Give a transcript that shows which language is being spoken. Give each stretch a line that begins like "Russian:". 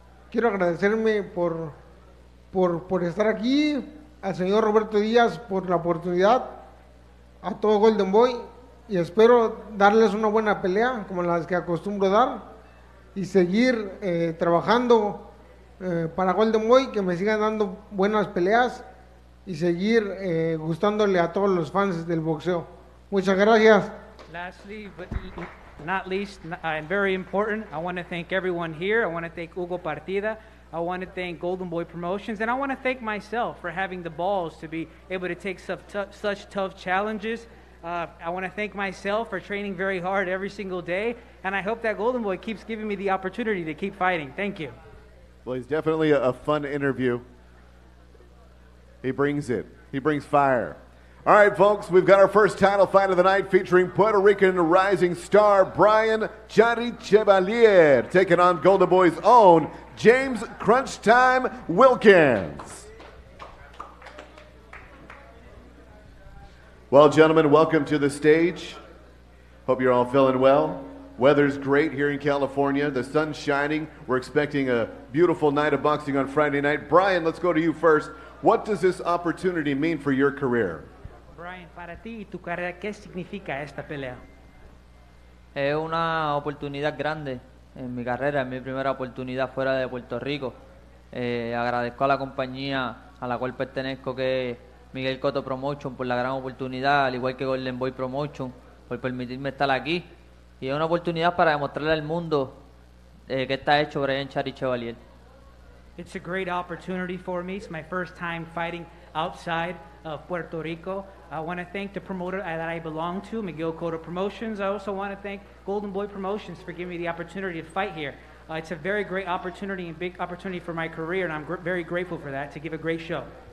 Spanish: Quiero agradecerme por estar aquí, al señor Roberto Díaz por la oportunidad, a todo Golden Boy, y espero darles una buena pelea como las que acostumbro dar y seguir trabajando para Golden Boy, que me sigan dando buenas peleas y seguir gustándole a todos los fans del boxeo. Muchas gracias.
English: Lastly, but not least, and very important, I want to thank everyone here. I want to thank Hugo Partida. I want to thank Golden Boy Promotions, and I want to thank myself for having the balls to be able to take such tough challenges. I want to thank myself for training very hard every single day, and I hope that Golden Boy keeps giving me the opportunity to keep fighting. Thank you. Well, he's definitely a fun interview. He brings it. He brings fire. All right, folks, we've got our first title fight of the night featuring Puerto Rican rising star Brian Chari Chevalier taking on Golden Boy's own James Crunch Time Wilkins. Well, gentlemen, welcome to the stage. Hope you're all feeling well. Weather's great here in California. The sun's shining. We're expecting a beautiful night of boxing on Friday night. Brian, let's go to you first. What does this opportunity mean for your career?
Spanish: Brian, para ti y tu carrera, ¿qué significa esta pelea? Es una oportunidad grande en mi carrera, es mi primera oportunidad fuera de Puerto Rico. Agradezco a la compañía a la cual pertenezco, que Miguel Cotto Promotion, por la gran oportunidad, al igual que Golden Boy Promotion, por permitirme estar aquí. Y es una oportunidad para demostrarle al mundo que está hecho Brian Chari Chevalier.
English: It's a great opportunity for me. It's my first time fighting outside of Puerto Rico. I want to thank the promoter that I belong to, Miguel Cotto Promotions. I also want to thank Golden Boy Promotions for giving me the opportunity to fight here. It's a very great opportunity and big opportunity for my career, and I'm very grateful for that, to give a great show.